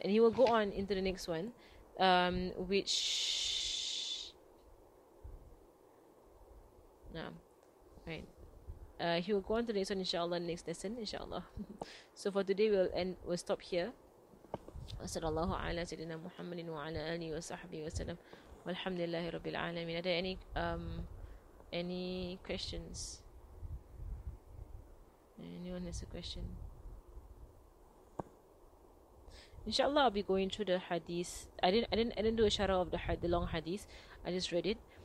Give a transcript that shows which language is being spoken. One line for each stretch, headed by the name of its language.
English: And he will go on into the next one, which. He will go on to the next one, inshallah, next lesson, inshallah. So for today, we'll stop here.
Arabic: صلى الله على سيدنا محمد وعلى آله وصحبه وسلم والحمد لله رب العالمين.
English: Are there any questions? Anyone has a question? Inshallah, I'll be going through the hadith. I didn't do a sharah of the long hadith. I just read it.